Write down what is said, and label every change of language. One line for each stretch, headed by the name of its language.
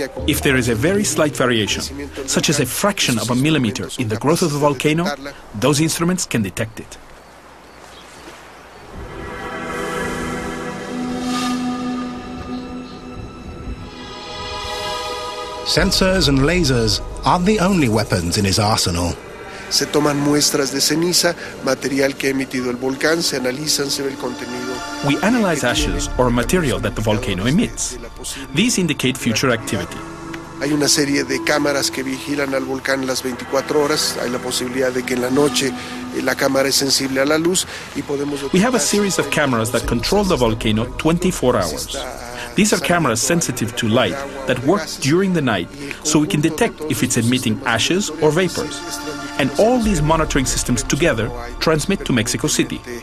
English: If there is a very slight variation, such as a fraction of a millimeter in the growth of the volcano, those instruments can detect it. Sensors and lasers aren't the only weapons in his arsenal.
Spanish: Se toman muestras de ceniza, material que ha emitido el volcán, se analizan, se ve el contenido.
English: We analyze ashes or material that the volcano emits. These indicate future activity.
Spanish: Hay una serie de cámaras que vigilan al volcán las 24 horas. Hay la posibilidad de que en la noche la cámara es sensible a la luz y podemos.
English: We have a series of cameras that control the volcano 24 hours. These are cameras sensitive to light that work during the night, so we can detect if it's emitting ashes or vapors. And all these monitoring systems together transmit to Mexico City.